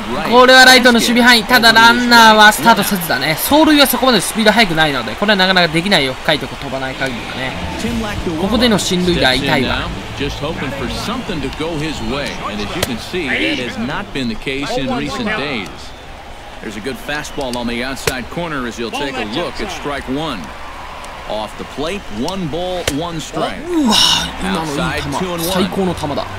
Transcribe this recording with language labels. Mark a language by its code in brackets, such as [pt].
[ja] これはライトの守備範囲、ただランナーはスタートせずだね。走塁はそこまでスピード速くないので、これはなかなかできないよ、深いとこ飛ばない限りはね。ここでの進塁打痛いわ。 [en] Just hoping for something to go his way. And as you can see, that has not been the case in recent days. There's a good fastball on the outside corner as he'll take a look at strike one. Off the plate, one ball, one strike. [ja] うわ、今のいい球、最高の球だ。